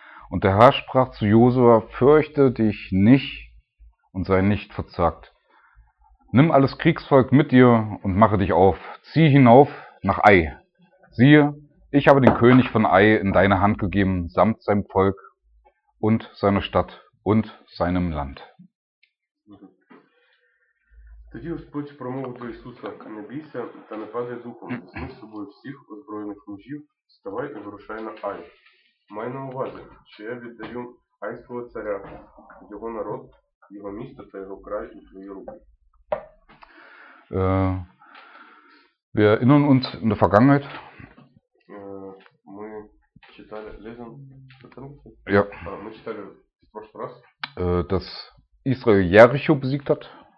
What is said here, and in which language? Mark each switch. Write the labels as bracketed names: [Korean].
[German] Und der Herr sprach zu Josua: Fürchte dich nicht und sei nicht verzagt. Nimm alles Kriegsvolk mit dir und mache dich auf. Zieh hinauf nach Ai. Siehe, ich habe den König von Ai in deine Hand gegeben, samt seinem Volk und seiner Stadt und seinem Land. [Ukrainian] Тоді Господь промовив до Ісуса: не бійся та не падай духом, візьми з собою всіх озброєних мужів, вставай і вирушай на Ай. Май на увазі, що я віддаю Айського царя, його народ, його місто та його край у твої руки. [German] Wir erinnern uns in der Vergangenheit. [Ukrainian] Ми читали, [German] lesen, ja. [Ukrainian] Ми читали [Russian] в прошлый раз, [German] dass Israel Jericho besiegt hat.